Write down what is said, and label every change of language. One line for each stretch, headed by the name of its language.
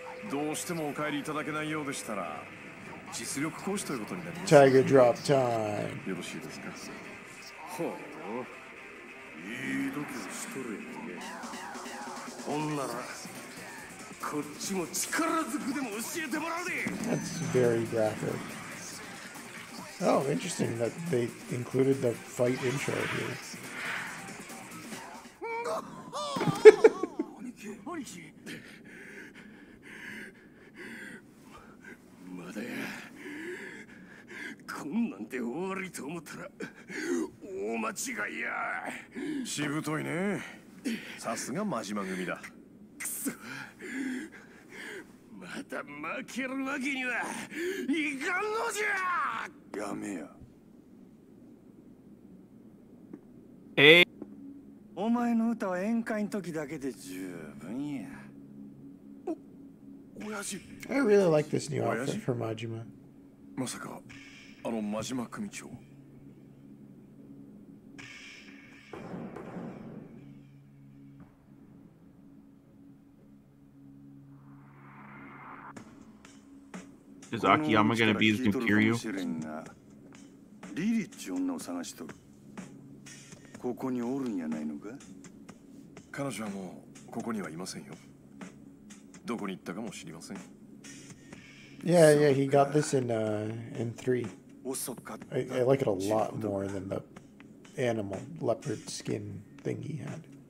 Japanese: どうしてもお帰りいただけないようでしたら、実力行使ということになります。タイガードロップタイム。よろしいですか。ほう、いい度胸しとるやんけ。ほんなら、こっちも力ずくでも教えてもらうで。
English: That's very graphic. Oh, interesting that they included the fight intro here.
Japanese: おにき、おにき。こんなんで終わりと思ったら大間違いや。しぶといね。さすが真島組だ。くそ、また負けるわけにはいかんのじゃ。やめや。お前の歌は宴会の時だけで十分や。
English: I really like this new outfit for Majima.
Japanese: Masaka, ano Majima Kumicho.
English: Is Akiyama gonna be his new Kiryu? Lilith, you're looking for her.
Japanese: ここにおるんやないのか？彼女はもうここにはいませんよ。どこに行ったかも知りません。
English: Yeah, yeah, he got this in three. I like it a lot more than the animal leopard skin thing he had.